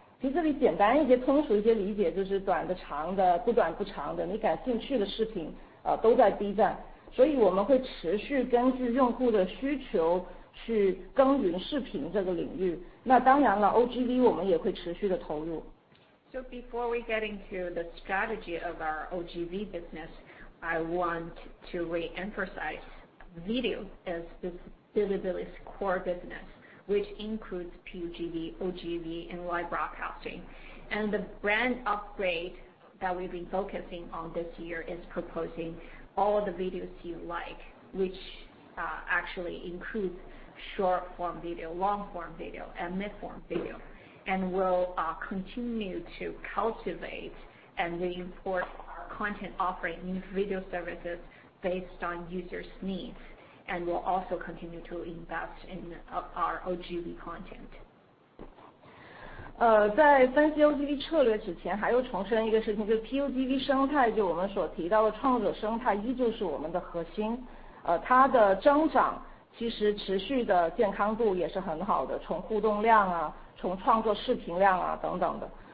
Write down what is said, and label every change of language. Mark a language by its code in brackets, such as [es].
[zh] 其实这里简单一些、通俗一些理解就是短的、长的、不短不长的，你感兴趣的视频都在 B 站。所以我们会持续根据用户的需求去耕耘视频这个领域。那当然了，OGV 我们也会持续的投入。 [en] So before we get into the strategy of our OGV business, I want to re-emphasize video as Bilibili's core business, which includes PUGV, OGV, and live broadcasting. And the brand upgrade that we've been focusing on this year is proposing all the videos you like, which actually includes short form video, long form video, and mid form video. And we'll continue to cultivate and reinforce our content offering new video services based on users' needs. And we'll also continue to invest in our OGV content. [zh] 在分析 OGV 策略之前，还要重申一个事情，就是 PUGV 生态，就我们所提到的创作者生态，依旧是我们的核心。它的增长其实持续的健康度也是很好的，从互动量啊，从创作视频量啊等等的。